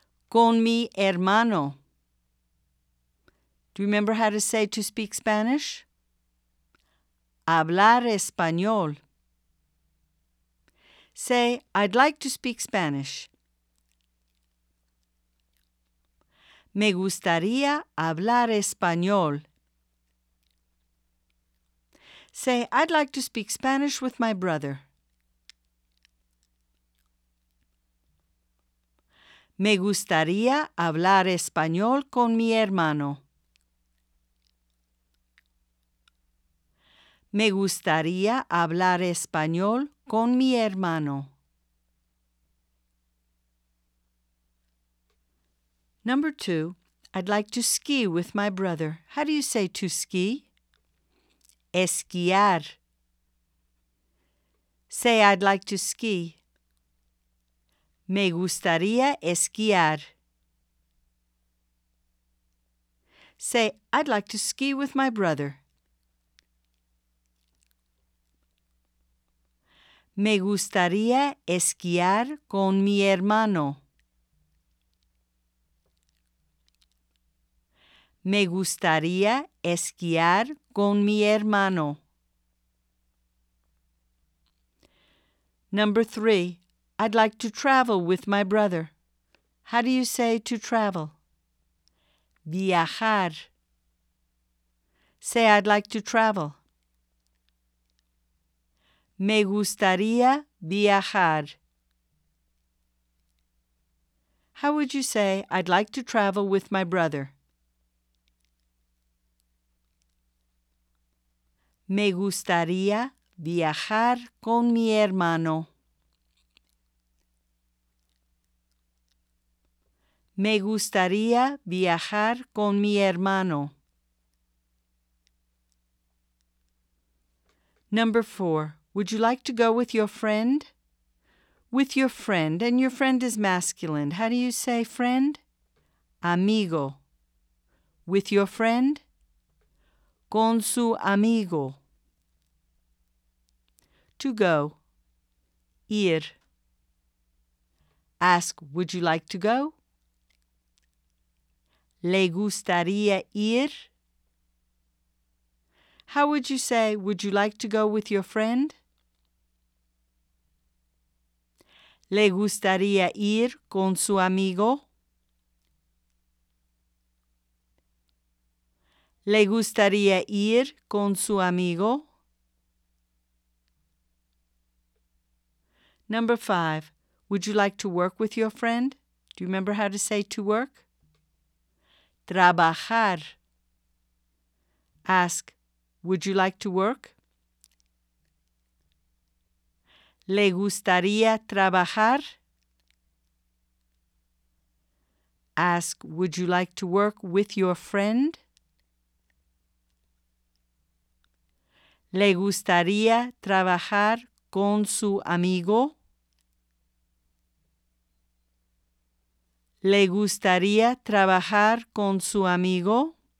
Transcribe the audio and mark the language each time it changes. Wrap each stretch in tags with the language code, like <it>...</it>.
<es>Con mi hermano.</es> <en>Do you remember how to say to speak Spanish?</en> <es>Hablar español.</es> <en>Say, I'd like to speak Spanish.</en> <es>Me gustaría hablar español.</es> <en>Say, I'd like to speak Spanish with my brother.</en> <es>Me gustaría hablar español con mi hermano. Me gustaría hablar español con mi hermano.</es> <en>Number 2. I'd like to ski with my brother. How do you say to ski? Esquiar. Say, I'd like to ski.</en> <es>Me gustaría esquiar.</es> <en>Say, I'd like to ski with my brother.</en> <es>Me gustaría esquiar con mi hermano. Me gustaría esquiar con mi hermano.</es> <en>Number 3. I'd like to travel with my brother. How do you say to travel? Viajar. Say, I'd like to travel.</en> <es>Me gustaría viajar.</es> <en>How would you say, I'd like to travel with my brother?</en> <es>Me gustaría viajar con mi hermano. Me gustaría viajar con mi hermano.</es> <en>Number 4. Would you like to go with your friend? With your friend, and your friend is masculine. How do you say friend? Amigo. With your friend?</en> <es>Con su amigo.</es> <en>To go. Ir. Ask, would you like to go?</en> <es>Le gustaría ir?</es> <en>How would you say, would you like to go with your friend?</en> <es>¿Le gustaría ir con su amigo? ¿Le gustaría ir con su amigo?</es> <en>Number 5. Would you like to work with your friend? Do you remember how to say to work? Trabajar. Ask, would you like to work?</en> <es>¿Le gustaría trabajar?</es> <en>Ask, would you like to work with your friend?</en> <es>¿Le gustaría trabajar con su amigo? ¿Le gustaría trabajar con su amigo?</es>